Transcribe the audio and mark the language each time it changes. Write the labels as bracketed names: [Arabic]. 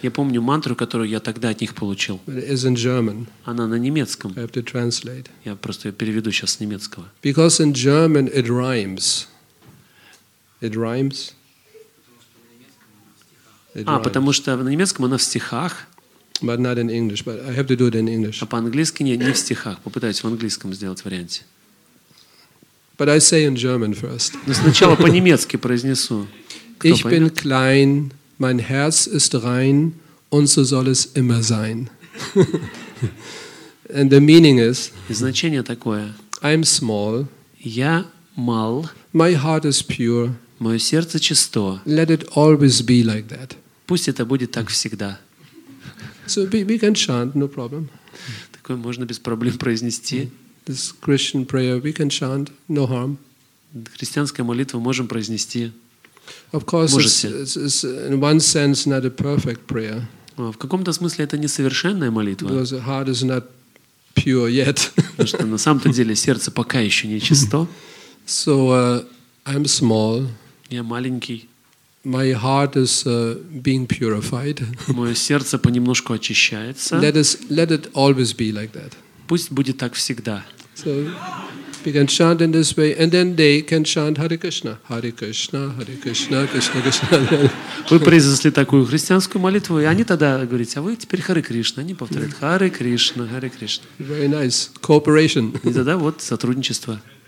[Russian] Я помню мантру, которую я тогда от них получил. [English] It is in German. [Russian] Она на немецком. [English] I have to translate. [Russian] Я просто ее переведу сейчас с немецкого. [English] Because in German it rhymes. It rhymes. [Russian] А, потому что на немецком она в стихах. [English] But not in English, but I have to do it in English. [Russian] А по-английски нет, не в стихах. Попытаюсь в английском сделать варианте. [English] But I say in German first. [Russian] Но сначала по-немецки произнесу. [German] Ich bin klein, mein Herz ist rein, und so soll es immer sein. [English] And the meaning is. [Russian] И значение такое. [English] I'm small. [Russian] Я мал. [English] My heart is pure. [Russian] Мое сердце чисто. [English] Let it always be like that. [Russian] Пусть это будет так всегда. [English] So we can chant, no problem. [Russian] Такое можно без проблем произнести. [English] This Christian prayer we can chant, no harm. [Russian] Христианская молитва можем произнести. [English] Of course, it's in one sense not a perfect prayer. [Russian] В каком-то смысле это несовершенная молитва. [English] Because the heart is not pure yet. [Russian] Потому что на самом-то деле сердце пока еще не чисто. [English] So I'm small. [Russian] Я маленький. [English] My heart is being purified. [Russian] Моё сердце понемножку очищается. [English] Let it always be like that. [Russian] Пусть будет так всегда. [English] So we can chant in this way, and then they can chant Hare Krishna, Hare Krishna, Hare Krishna, Krishna Krishna. [Russian] Вы произнесли такую христианскую молитву, и они тогда говорят: а вы теперь Hare Krishna. Они повторяют: Hare Krishna, Hare Krishna. [English] Very nice cooperation. [Russian] И тогда вот сотрудничество.